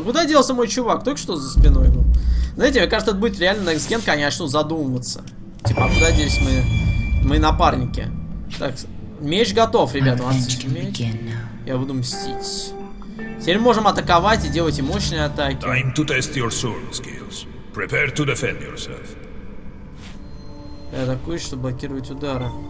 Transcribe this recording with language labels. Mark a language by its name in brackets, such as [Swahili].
[Russian] Куда делся мой чувак? Только что за спиной был. Знаете, мне кажется, это будет реально next gen, когда они начнут задумываться. Типа, а куда здесь мы напарники? Так, меч готов, ребята. У нас меч. Я буду мстить. Теперь можем атаковать и делать и мощные атаки. [English] Time to test your sword skills. Prepare to defend yourself. [Russian] Я атакую, чтобы блокировать удары.